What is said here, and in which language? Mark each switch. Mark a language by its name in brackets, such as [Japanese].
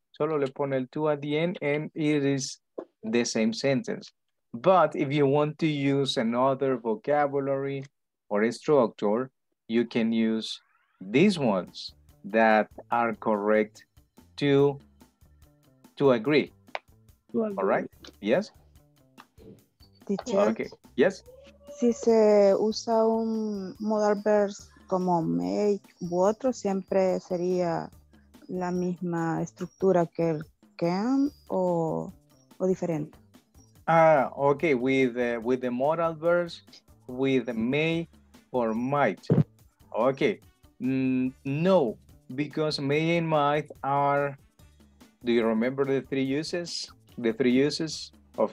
[Spanish] Solo le pone el [English] two at the end and it is the same sentence. But if you want to use another vocabulary or a structure, you can use these ones that are correct to agree. All right? Yes? Teacher, okay. Yes? [Spanish] Si se usa un modal verb como may u otro, siempre sería la misma estructura que el can o diferente. [English] Okay, with the modal verbs, with may or might. Okay, no, because may and might are, do you remember the three uses? The three uses of